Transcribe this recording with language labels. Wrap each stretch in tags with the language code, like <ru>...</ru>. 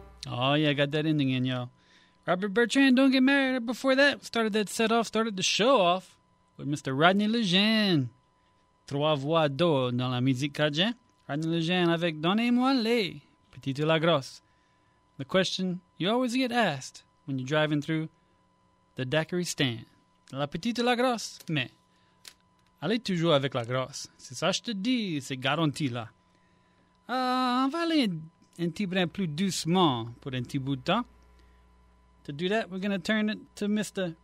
<en>Oh, yeah, I got that ending in, y'all. Robert Bertrand, don't get married. Before that, started that set off, started the show off with Mr.</en> <fr>Rodney Lejeune. Trois voix d'or dans la musique cadien. Rodney Lejeune avec Donnez-moi les Petites La Grosse.</fr> <en>The question you always get asked when you're driving through the daiquiri stand.</en> <fr>La petite la grosse, mais allez toujours avec la grosse. C'est ça que je te dis, c'est garanti là. On va aller un petit brin plus doucement pour un petit bout de temps.</fr> <en>To do that, we're going to turn it to Mr.</en>